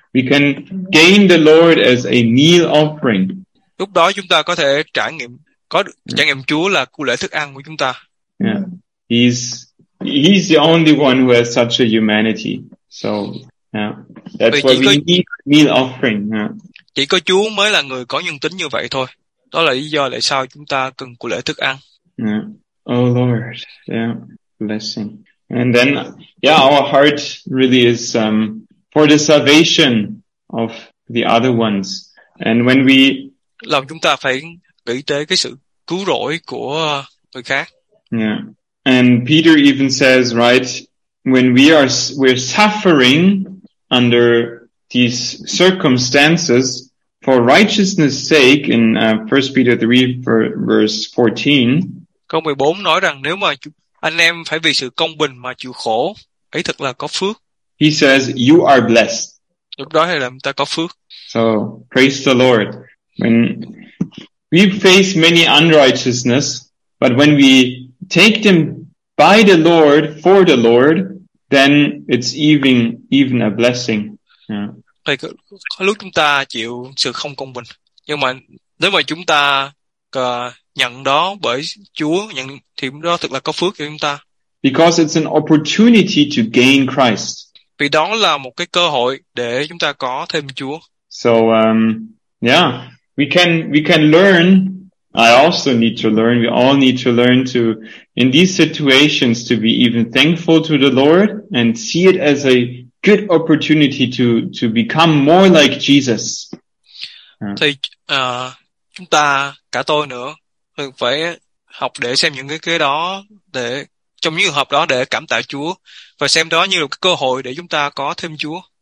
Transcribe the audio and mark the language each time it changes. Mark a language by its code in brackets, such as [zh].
[en] We can gain the Lord as a meal offering. [vi] Lúc đó chúng ta có thể trải nghiệm trải nghiệm Chúa là cụ lễ thức ăn của chúng ta. [en] Yeah. He's the only one who has such a humanity. So, yeah. That's what we need meal offering. Yeah. [vi] Chỉ có Chúa mới là người có nhân tính như vậy thôi. Đó là lý do tại sao chúng ta cần cụ lễ thức ăn. [en] Yeah. Oh Lord, yeah. Blessing. And then yeah, our heart really is for the salvation of the other ones. And when we [vi] lòng chúng ta phải nghĩ tới cái sự cứu rỗi của người khác. [en] Yeah. And Peter even says, right, when we're suffering under these circumstances for righteousness' sake in 1 Peter 3 verse 14. [vi] Câu 14 nói rằng nếu mà anh em phải vì sự công bình mà chịu khổ, ấy thật là có phước. [en] He says, you are blessed. [vi] Lúc đó là người ta có phước. [en] So, praise the Lord. When we face many unrighteousness, but when we take them by the Lord, for the Lord, then it's even a blessing. Yeah. [vi] Lúc chúng ta chịu sự không công bình, nhưng mà nếu mà chúng ta nhận đó bởi Chúa, nhận thì đó thực là có phước cho chúng ta. [en] Because it's an opportunity to gain Christ. [vi] Vì đó là một cái cơ hội để chúng ta có thêm Chúa. [en] So, yeah. We can learn. I also need to learn. We all need to learn to, in these situations, to be even thankful to the Lord and see it as a good opportunity to become more like Jesus. [vi] Thì chúng ta cả tôi nữa phải học để xem những cái đó để trong những trường hợp đó để cảm tạ Chúa và xem đó như là cái cơ hội để chúng ta có thêm Chúa.